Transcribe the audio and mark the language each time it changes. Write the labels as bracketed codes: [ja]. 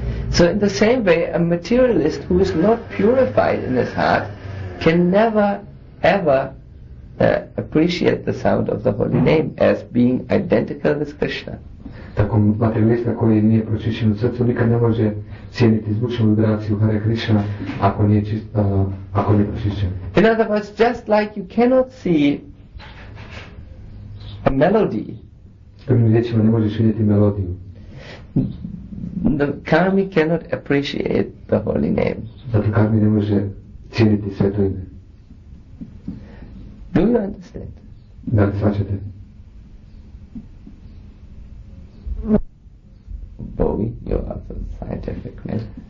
[en] So in the same way, a materialist who is not purified in his heart can never ever appreciate the sound of the holy name as being identical with Krishna. [hr] Tako materialista koji nije pročišćen u srcu nikad ne može cijeniti zvučnu vibraciju Hare Krishna ako nije ako nije pročišćen. [en] In other words, just like you cannot see a melody. [hr] Drugim riječima ne možeš vidjeti melodiju. [en] The karmi cannot appreciate the holy name. [hr] Zato karmi ne može cijeniti sveto ime. [en] Do you understand? [hr] Da li svačate? [en] Bovi, you are the scientific man.